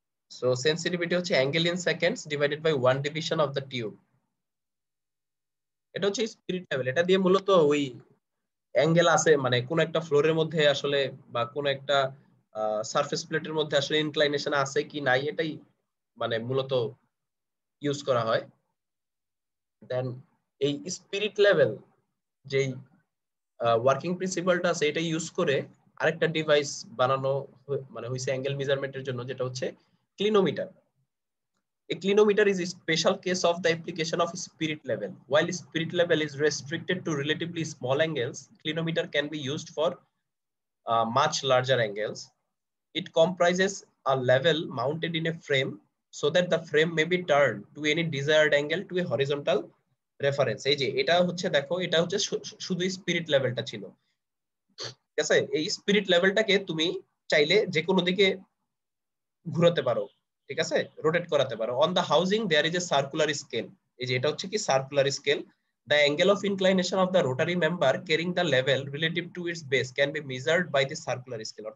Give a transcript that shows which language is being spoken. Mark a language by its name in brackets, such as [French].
[English] So sensitivity hocche angle in seconds divided by one division of the tube. [Bangla] Eta hocche spirit level. Eta diye muloto oi angle ase mane kono ekta floor er moddhe ashole ba kono ekta surface প্লেটের মধ্যে আসলে inclination আছে কি নাই এটাই মানে মূলত use করা হয় দেন এই স্পিরিট লেভেল যে ওয়ার্কিং প্রিন্সিপালটা আছে এটা ইউজ করে আরেকটা ডিভাইস বানানো মানে হইছে অ্যাঙ্গেল মেজারমেন্টের জন্য যেটা হচ্ছে clinometer [English] A clinometer is special case of the application of spirit level while spirit level is restricted to relatively small angles clinometer can be used for much larger angles. It comprises a level mounted in a frame so that the frame may be turned to any desired angle to a horizontal reference. [Bangla] এই যে এটা হচ্ছে দেখো এটা হচ্ছে শুধু spirit লেভেলটা ছিল ঠিক আছে এই স্পিরিট লেভেলটাকে তুমি চাইলে যে কোনো দিকে ঘুরাতে পারো ঠিক আছে রোটেট করাতে পারো [English] on the housing there is a circular scale [Bangla] এই যে এটা হচ্ছে কি circular scale [English] The angle of inclination of the rotary member carrying the level relative to its base can be measured by the circular scale.